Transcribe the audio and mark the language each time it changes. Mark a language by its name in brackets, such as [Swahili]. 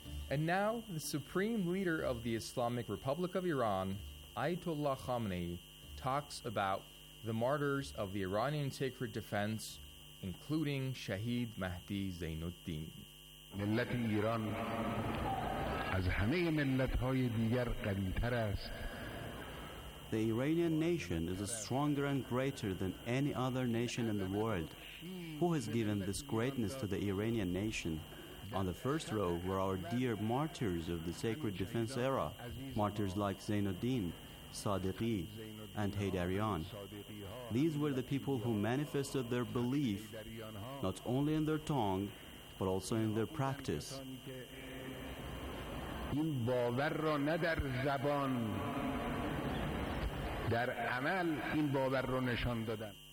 [English] And now, the Supreme Leader of the Islamic Republic of Iran, Ayatollah Khamenei, talks about the martyrs of the Iranian sacred defense, including Shahid Mahdi Zainuddin. [Persian] ملت ایران از همه ملت‌های دیگر قوی‌تر است. [English] The Iranian nation is stronger and greater than any other nation in the world. Who has given this greatness to the Iranian nation? On the first row were our dear martyrs of the sacred defense era, martyrs like Zainuddin, Sadiqi, and Haydarian. These were the people who manifested their belief not only in their tongue, but also in their practice. [Persian] این باور را نه در زبان، در عمل این باور را نشان دادن.